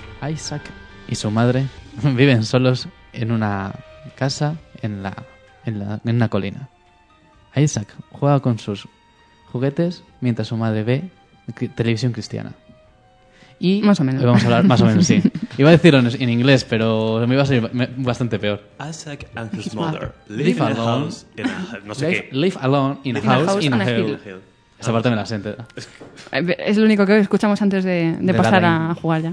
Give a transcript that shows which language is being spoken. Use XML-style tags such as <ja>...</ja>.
<es>Isaac y su madre viven solos en una casa en una colina. Isaac juega con sus juguetes mientras su madre ve televisión cristiana. Y más o menos. Vamos a hablar más o menos, sí. Iba a decirlo en inglés, pero me iba a salir bastante peor.</es> <en>Isaac and his mother live alone in a</en> <es>no sé qué.</es> <en>Live alone in a house in a hill.</en> <es>Esa parte me la siento. Es lo único que escuchamos antes de pasar a jugar ya.</es>